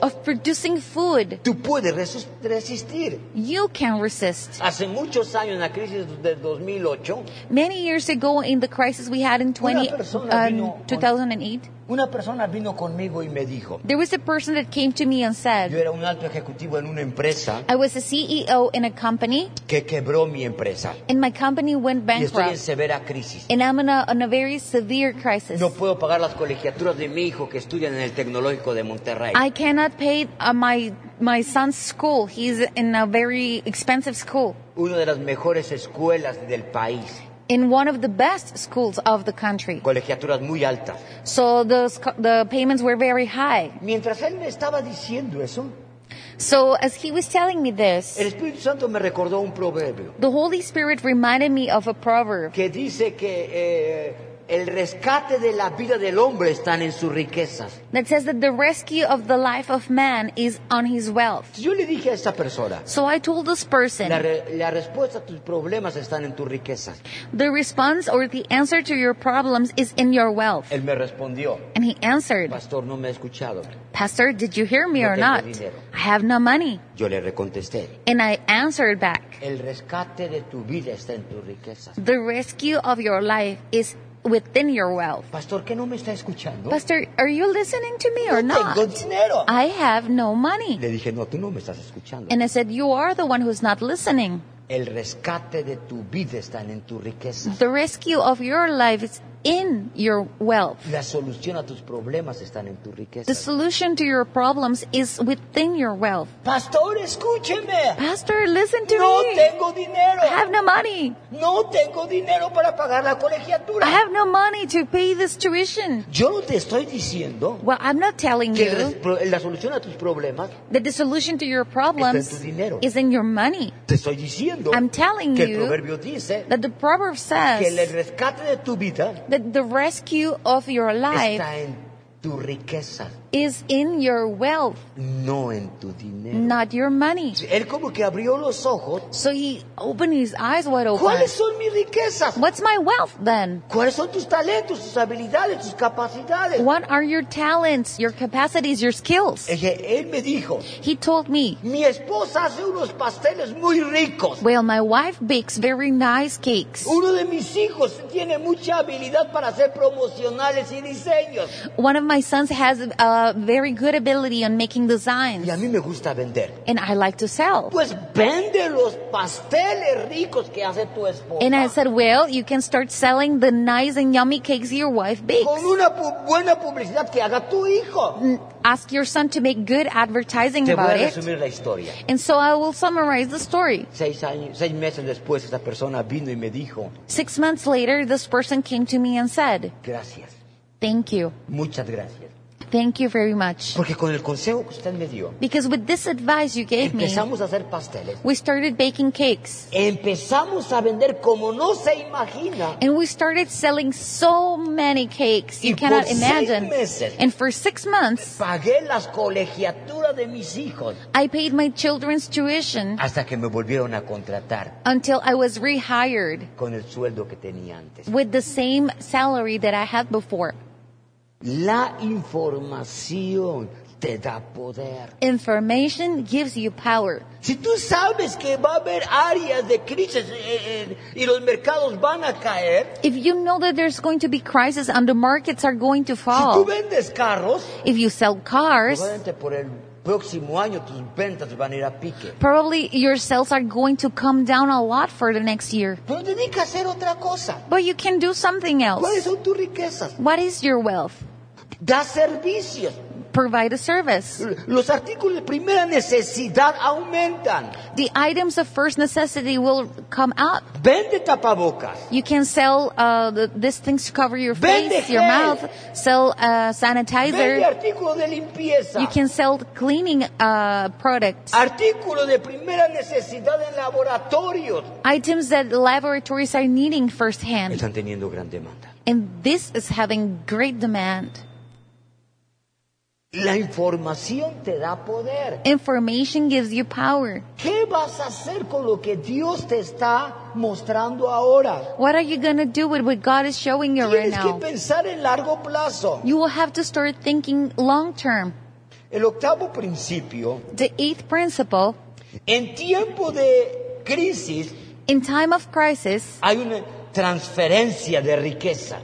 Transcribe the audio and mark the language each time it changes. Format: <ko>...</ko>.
<en>of producing food,</en> <es>tú puedes resistir.</es> <en>You can resist.</en> <es>Hace muchos años, en la crisis de 2008,</es> <en>many years ago in the crisis we had in 2008,</en> <es>una persona vino conmigo y me dijo,</es> <en>there was a person that came to me and said,</en> <es>yo era un alto ejecutivo en una empresa,</es> <en>I was a CEO in a company,</en> <es>que quebró mi empresa,</es> <en>and my company went bankrupt,</en> <es>y estoy en severa crisis,</es> <en>and I'm in a very severe crisis.</en> <es>No puedo pagar las colegiaturas de mi hijo que estudia en el Tecnológico de Monterrey.</es> <en>I cannot pay my son's school. He's in a very expensive school.</en> <es>Una de las mejores escuelas del país.</es> <en>in one of the best schools of the country.</en> <es>Colegiaturas muy altas.</es> <en>So the payments were very high.</en> <es>Mientras él me estaba diciendo eso,</es> <en>so as he was telling me this,</en> <es>el Espíritu Santo me recordó un proverbio.</es> <en>The Holy Spirit reminded me of a proverb.</en> <es>Que dice que el rescate de la vida del hombre está en sus riquezas.</es> <en>That says that the rescue of the life of man is on his wealth.</en> <es>Yo le dije a esta persona,</es> <en>so I told this person,</en> <es>la respuesta a tus problemas están en tus riquezas.</es> <en>The response or the answer to your problems is in your wealth.</en> <es>Él me respondió,</es> <en>and he answered,</en> <es>Pastor, no me ha escuchado.</es> <en>Pastor, did you hear me</en> <es>no</es> <en>or not?</en> <es>Dinero.</es> <en>I have no money.</en> <es>Yo le recontesté,</es> <en>and I answered back,</en> <es>el rescate de tu vida está en tus riquezas.</es> <en>The rescue of your life is within your wealth.</en> <es>Pastor, ¿qué no me está escuchando?</es> <en>Pastor, are you listening to me</en> <es>no</es> <en>or not?</en> <es>Tengo dinero.</es> <en>I have no money.</en> <es>Le dije, no, tú no me estás escuchando.</es> <en>And I said, you are the one who's not listening.</en> <es>El rescate de tu vida está en tu riqueza.</es> <en>The rescue of your life is in your wealth.</en> <es>La solución a tus problemas está en tu riqueza.</es> <en>The solution to your problems is within your wealth.</en> <es>Pastor, escúcheme.</es> <en>Pastor, listen to</en> <es>no</es> <en>me.</en> <es>No tengo dinero.</es> <en>I have no money.</en> <es>No tengo dinero para pagar la colegiatura.</es> <en>I have no money to pay this tuition.</en> <es>Yo no te estoy diciendo.</es> <en>Well, I'm not telling you.</en> <es>La solución a tus problemas.</es> <en>That the solution to your problems is in your money.</en> <es>Te estoy diciendo.</es> <en>I'm telling</en> <es>que</es> <en>you.</en> <es>Que el proverbio dice.</es> <en>That the proverb says.</en> <es>Que el rescate de tu vida.</es> <en>That the rescue of your life</en> <es>está en tu riqueza,</es> <en>is in your wealth,</en> <es>no en tu dinero,</es> <en>not your money.</en> <es>Él como que abrió los ojos.</es> <en>So he opened his eyes wide open.</en> <es>¿Cuáles son mis riquezas?</es> <en>What's my wealth then?</en> <es>¿Cuáles son tus talentos, tus habilidades, tus capacidades?</es> <en>What are your talents, your capacities, your skills?</en> <es>Él me dijo,</es> <en>he told me,</en> <es>mi esposa hace unos pasteles muy ricos.</es> <en>Well, my wife bakes very nice cakes.</en> <es>Uno de mis hijos tiene mucha habilidad para hacer promocionales y diseños.</es> <en>One of my sons has a very good ability on making designs.</en> <es>Y a mí me gusta vender.</es> <en>And I like to sell.</en> <es>Pues vende los pasteles ricos que hace tu esposa.</es> <en>And I said, well, you can start selling the nice and yummy cakes your wife bakes.</en> <es>Con una buena publicidad que haga tu hijo.</es> <en>Ask your son to make good advertising about it.</en> <es>Te voy a resumir la historia.</es> <en>And so I will summarize the story.</en> <es>Seis meses después, esa persona vino y me dijo,</es> <en>6 months later, this person came to me and said,</en> <es>gracias.</es> <en>Thank you.</en> <es>Muchas gracias.</es> <en>Thank you very much.</en> <es>Porque con el consejo que usted me dio,</es> <en>because with this advice you gave</en> <es>empezamos</es> <en>me,</en> <es>a hacer pasteles.</es> <en>We started baking cakes.</en> <es>Empezamos a vender como no se imagina.</es> <en>And we started selling so many cakes, you cannot imagine.</en> <es>Meses,</es> <en>and for 6 months,</en> <es>pagué las colegiaturas de mis hijos.</es> <en>I paid my children's tuition.</en> <es>Hasta que me volvieron a contratar.</es> <en>Until I was rehired.</en> <es>Con el sueldo que tenía antes.</es> <en>With the same salary that I had before.</en> <es>La información te da poder.</es> <en>Information gives you power.</en> <es>Si tú sabes que va a haber áreas de crisis y los mercados van a caer.</es> <en>If you know that there's going to be crisis and the markets are going to fall.</en> <es>Si tú vendes carros.</es> <en>If you sell cars.</en> <es>Próximo año tus ventas van a ir a pique.</es> <en>Probably your sales are going to come down a lot for the next year.</en> <es>Pero tienes que hacer otra cosa.</es> <en>But you can do something else.</en> <es>¿Cuáles son tus riquezas?</es> <en>What is your wealth?</en> <es>Da servicios.</es> <en>Provide a service.</en> <es>Los artículos de primera necesidad aumentan.</es> <en>The items of first necessity will come up.</en> <es>Vende tapabocas.</es> <en>You can sell these things to cover your</en> <es>vende</es> <en>face,</en> <es>gel.</es> <en>Your mouth. Sell sanitizer.</en> <es>Vende artículos de limpieza.</es> <en>You can sell cleaning products.</en> <es>Artículos de primera necesidad en laboratorios.</es> <en>Items that laboratories are needing firsthand.</en> <es>Están teniendo gran demanda.</es> <en>And this is having great demand.</en> <es>La información te da poder.</es> <en>Information gives you power.</en> <es>¿Qué vas a hacer con lo que Dios te está mostrando ahora?</es> <en>What are you going to do with what God is showing you right now?</en> <es>Tienes que pensar en largo plazo.</es> <en>You will have to start thinking long term.</en> <es>El octavo principio.</es> <en>The eighth principle.</en> <es>En tiempo de crisis.</es> <en>In time of crisis.</en> <es>Hay una transferencia de riqueza.</es>